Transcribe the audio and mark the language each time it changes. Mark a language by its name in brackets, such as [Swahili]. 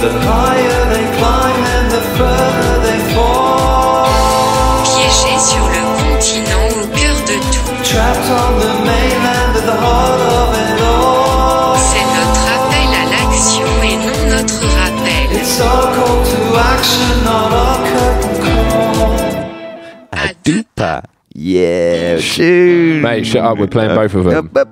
[English] The higher they climb and the further they fall. [French] Piégé sur le continent au cœur de tout. [English] Trapped on the mainland at the heart of it all. [French] C'est notre appel à l'action et non notre rappel. [English] It's our call to action, not our curtain call. A dupa. Yeah, shoot. Mate, shut up, we're playing both of them.